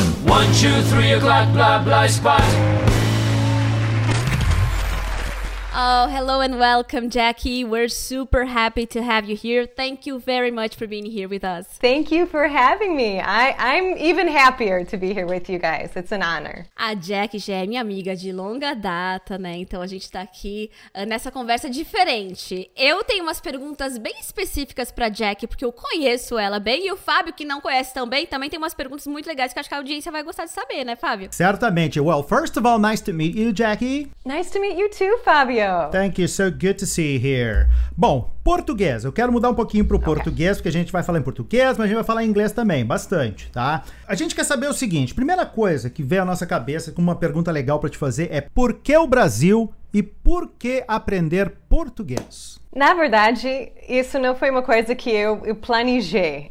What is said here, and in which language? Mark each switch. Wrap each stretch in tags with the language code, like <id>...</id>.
<en>1, 2, 3 o'clock, blah, blah, spot. Oh, hello and welcome, Jackie. We're super happy to have you here. Thank you very much for being here with us. Thank you for having me. I'm even happier to be here with you guys. It's an honor.</en> <pt>A Jackie já é minha amiga de longa data, né? Então a gente tá aqui nessa conversa diferente. Eu tenho umas perguntas bem específicas pra Jackie, porque eu conheço ela bem. E o Fábio, que não conhece tão bem, também tem umas perguntas muito legais que acho que a audiência vai gostar de saber, né, Fábio? Certamente.</pt> <en>Well, first of all, nice to meet you, Jackie. Nice to meet you too, Fábio. Thank you, so good to see you here.</en> <pt>Bom, português, eu quero mudar um pouquinho pro português, porque a gente vai falar em português, mas a gente vai falar em inglês também, bastante, tá? A gente quer saber o seguinte, primeira coisa que vem à nossa cabeça com uma pergunta legal pra te fazer é por que o Brasil e por que aprender português? Na verdade, isso não foi uma coisa que eu planejei.</pt>